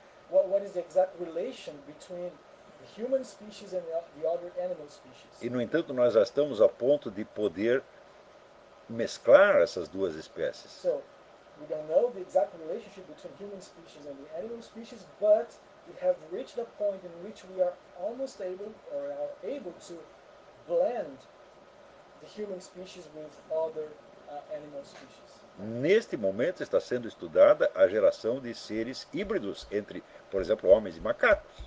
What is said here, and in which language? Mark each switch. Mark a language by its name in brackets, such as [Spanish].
[English] what is the exact relation between the human species and the other animal species. [Portuguese] E no entanto nós já estamos a ponto de poder mesclar essas duas espécies. [English] So, we don't know the exact relationship between human species and the animal species, but we have reached a point in which we are almost able or are able to blend the human species with other animal species. [Portuguese] Neste momento está sendo estudada a geração de seres híbridos entre, por exemplo, homens e macacos.